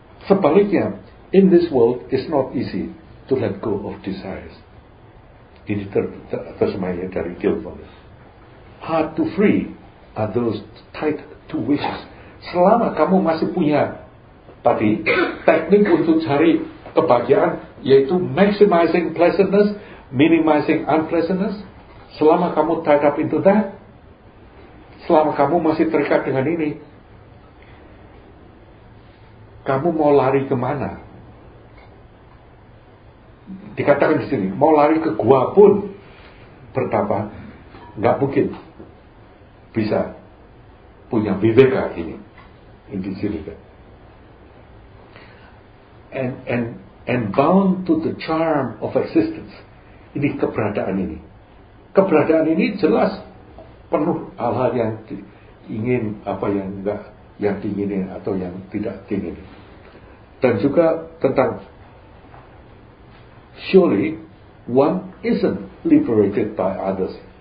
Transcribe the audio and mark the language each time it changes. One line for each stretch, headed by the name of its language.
Indonesian: Sebaliknya,
English: in this world, it's not easy to let go of desires.
Indonesian: Ini tersemanya dari Gilfons.
English: Hard to free are those tied to wishes.
Indonesian: Selama kamu masih punya tadi teknik untuk cari kebahagiaan, yaitu
English: maximizing pleasantness, minimizing unpleasantness,
Indonesian: selama kamu
English: tied up into that,
Indonesian: selama kamu masih terikat dengan ini, kamu mau lari kemana? Dikatakan di sini, mau lari ke gua pun pertama nggak mungkin bisa punya Viveka ini. Di sini kan.
English: And bound to the charm of existence.
Indonesian: Ini keberadaan ini. Keberadaan ini jelas penuh hal-hal yang ingin apa yang enggak, yang diinginkan atau yang tidak diinginkan. Dan juga tentang
English: surely one isn't liberated by others.